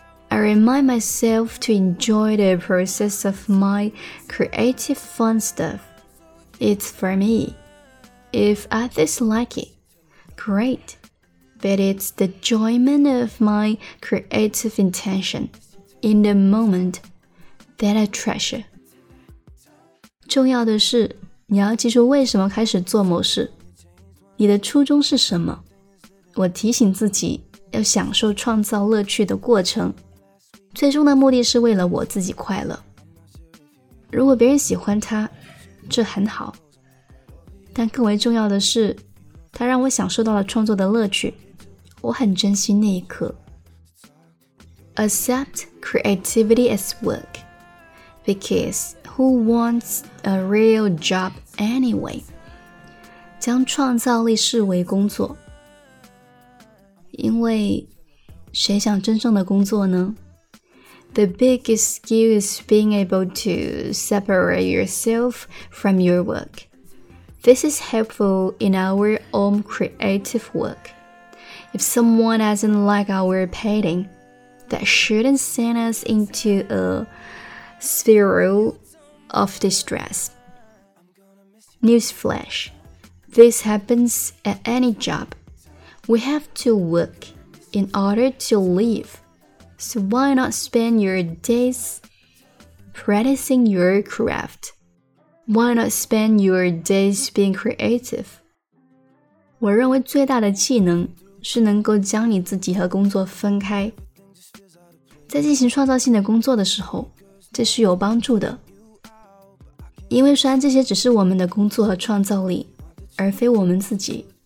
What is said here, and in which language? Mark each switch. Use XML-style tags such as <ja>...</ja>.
<en>I remind myself to enjoy the process of my creative fun stuff. It's for me. If others like it, great. But it's the enjoyment of my creative intention in the moment that I treasure.</en> <zh>重要的是，你要记住为什么开始做某事，你的初衷是什么。我提醒自己要享受创造乐趣的过程，最终的目的是为了我自己快乐。如果别人喜欢他，这很好，但更为重要的是他让我享受到了创作的乐趣，我很珍惜那一刻。</zh> <en>Accept creativity as work, because who wants a real job anyway?</en> <zh>将创造力视为工作，因为谁想真正的工作呢？</zh> <en>The biggest skill is being able to separate yourself from your work. This is helpful in our own creative work. If someone doesn't like our painting, that shouldn't send us into a spiral of distress. Newsflash. This happens at any job. We have to work in order to live. So why not spend your days practicing your craft? Why not spend your days being creative?</en> <zh>我认为最大的技能是能够将你自己和工作分开。在进行创造性的工作的时候，这是有帮助的。因为虽然这些只是我们的工作和创造力，而非我们自己。</zh>